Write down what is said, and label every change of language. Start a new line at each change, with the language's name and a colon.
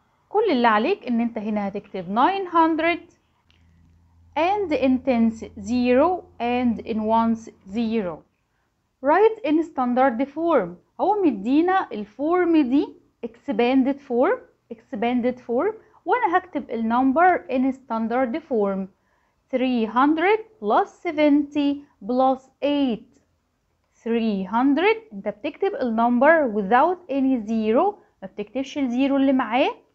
Arabic: كل اللي عليك ان انت هنا هتكتب 900
English: and in tens 0 and in ones 0. write in standard form.
Arabic: هو مدينا الفورم دي expanded form. expanded form وانا هكتب النمبر in standard form. 300 plus 70 plus 8 300. انت بتكتب النمبر
English: without any zero،
Arabic: ما بتكتبش الزيرو اللي معاه.